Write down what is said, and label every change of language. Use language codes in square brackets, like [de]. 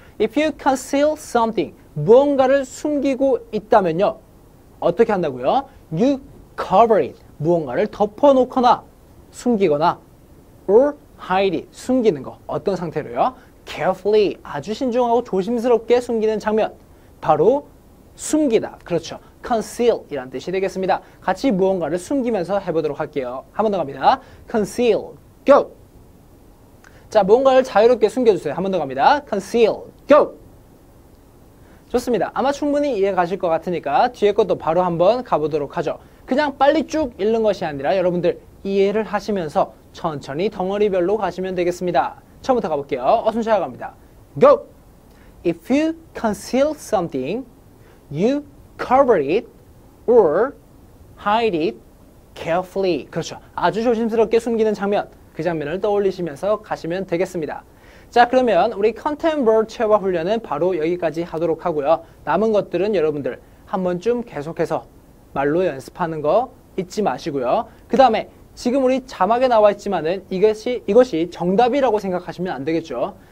[en] If you conceal something, [ko] 무언가를 숨기고 있다면요. 어떻게 한다고요? [en] You cover it, [ko] 무언가를 덮어놓거나 숨기거나 [en] or hide it, [ko] 숨기는 거. 어떤 상태로요? Carefully, 아주 신중하고 조심스럽게 숨기는 장면. 바로 숨기다. 그렇죠. Conceal 이란 뜻이 되겠습니다. 같이 무언가를 숨기면서 해보도록 할게요. 한번 더 갑니다. [en] Conceal, go! [ko] 자, 무언가를 자유롭게 숨겨주세요. 한번 더 갑니다. [en] Conceal, go! [ko] 좋습니다. 아마 충분히 이해 가실 것 같으니까 뒤에 것도 바로 한번 가보도록 하죠. 그냥 빨리 쭉 읽는 것이 아니라 여러분들 이해를 하시면서 천천히 덩어리별로 가시면 되겠습니다. 처음부터 가볼게요. 어순 차야 갑니다. Go! [en] If you conceal something, you cover it or hide it carefully. [ko] 그렇죠. 아주 조심스럽게 숨기는 장면. 그 장면을 떠올리시면서 가시면 되겠습니다. 자, 그러면 우리 컨템포러리 체화 훈련은 바로 여기까지 하도록 하고요. 남은 것들은 여러분들 한 번쯤 계속해서 말로 연습하는 거 잊지 마시고요. 그 다음에 지금 우리 자막에 나와 있지만은 이것이 정답이라고 생각하시면 안 되겠죠.